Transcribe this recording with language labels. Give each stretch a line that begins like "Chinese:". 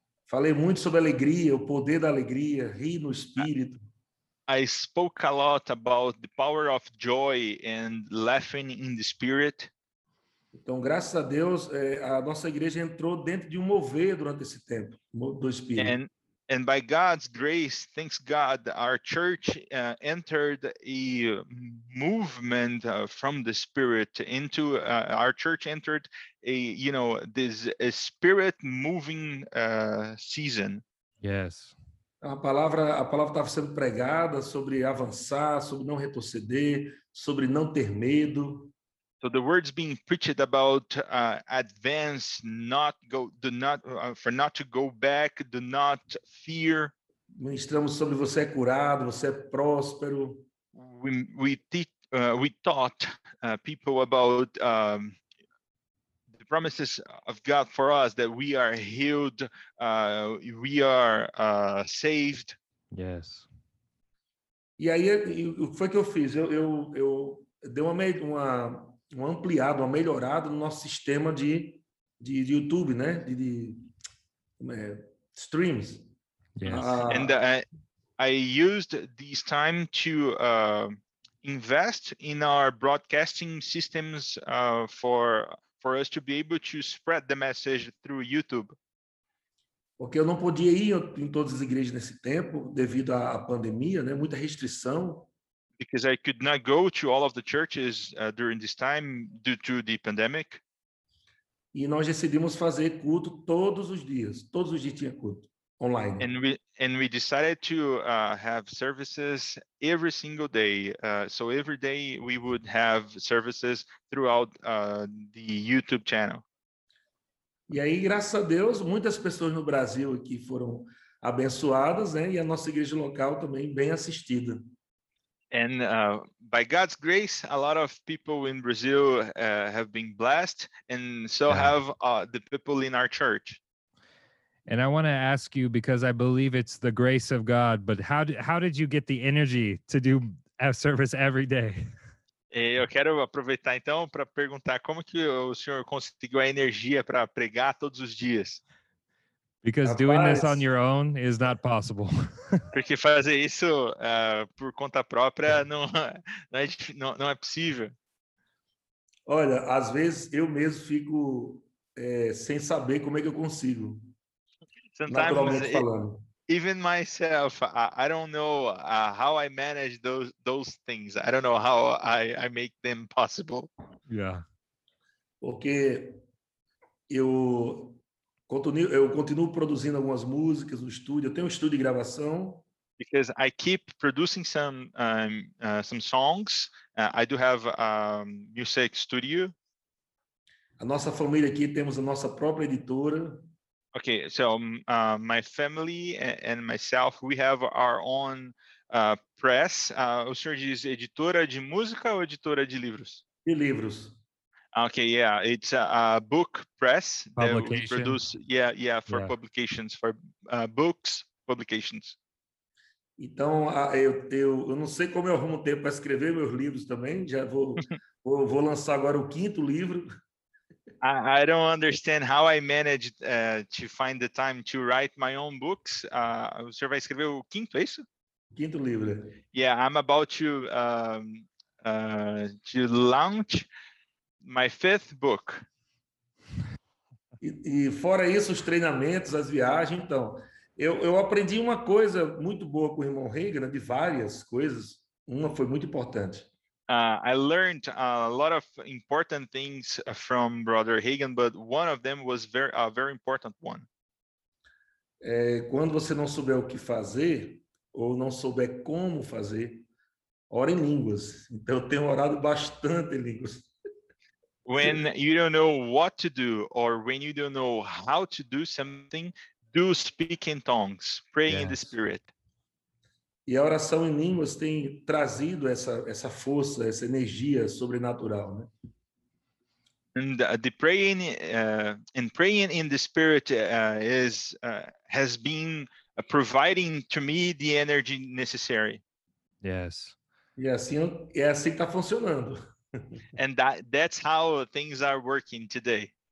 Portuguese: Falei muito sobre alegria, o poder da alegria, rir no Espírito.
English: I spoke a lot about the power of joy and laughing in the Spirit.
Portuguese: Então, graças a Deus, a nossa igreja entrou dentro de um mover durante esse tempo, do Espírito.
English: And by God's grace, thanks God, our church entered a movement from the Spirit into our church entered a, you know, this a Spirit moving season. Yes.
Portuguese: A palavra estava sendo pregada sobre avançar, sobre não retroceder, sobre não ter medo.
English: So the words being preached about advance, not to go back, do not fear.
Portuguese: Ministramos sobre você é curado, você é próspero.
English: We taught people about the promises of God for us that we are healed, we are saved. Yes.
Portuguese: E aí, o que foi que eu fiz? Eu dei uma ampliada, uma melhorada no nosso sistema de YouTube, né? De streams.
English: Yes. I used this time to invest in our broadcasting systems for us to be able to spread the message through YouTube.
Portuguese: Porque eu não podia ir em todas as igrejas nesse tempo devido à pandemia, né? Muita restrição.
English: Because I could not go to all of the churches during this time due to the pandemic.
Portuguese: E nós decidimos fazer culto todos os dias. Todos os dias tinha culto online.
English: And we decided to have services every single day. So every day we would have services throughout the YouTube channel.
Portuguese: E aí, graças a Deus, muitas pessoas no Brasil aqui foram abençoadas, né? E a nossa igreja local também bem assistida.
English: And by God's grace, a lot of people in Brazil have been blessed, and so have the people in our church. And I want to ask you, because I believe it's the grace of God, but how did you get the energy to do a service every day?
Portuguese: Eu quero aproveitar então para perguntar como que o senhor conseguiu a energia para pregar todos os dias.
English: Because doing this on your own is not possible.
Portuguese: Porque fazer isso por conta própria não é possível. Olha, às vezes eu mesmo fico sem saber como é que eu consigo.
English: Sometimes,
Portuguese: naturalmente falando.
English: Even myself, I don't know how I manage those things. I don't know how I make them possible. Yeah.
Portuguese: Porque eu continuo produzindo algumas músicas no estúdio. Eu tenho um estúdio de gravação.
English: Because I keep producing some songs. I do have a music studio.
Portuguese: A nossa família aqui, temos a nossa própria editora.
English: Okay, so my family and myself, we have our own press.
Portuguese: O senhor diz editora de música ou editora de livros? De livros.
English: Okay, yeah, it's a book press that we produce, for publications, for books, publications.
Portuguese: Então, eu não sei como eu arrumo tempo para escrever meus livros também, já vou lançar agora o quinto livro.
English: I don't understand how I managed to find the time to write my own books.
Portuguese: O senhor vai escrever o quinto, é isso? Quinto livro.
English: Yeah, I'm about to launch my fifth book.
Portuguese: E fora isso, os treinamentos, as viagens, então. Eu aprendi uma coisa muito boa com o irmão Reagan, de várias coisas. Uma foi muito importante.
English: I learned a lot of important things from Brother Reagan, but one of them was a very important one.
Portuguese: Quando você não souber o que fazer, ou não souber como fazer, ora em línguas. Então, eu tenho orado bastante em línguas.
English: When you don't know what to do, or when you don't know how to do something, do speak in tongues, pray in the Spirit.
Portuguese: E a oração em línguas tem trazido essa força, essa energia sobrenatural, né?
English: And the praying and praying in the spirit is has been providing to me the energy necessary. Yes.
Portuguese: E assim tá funcionando.
English: And that's how things are working today.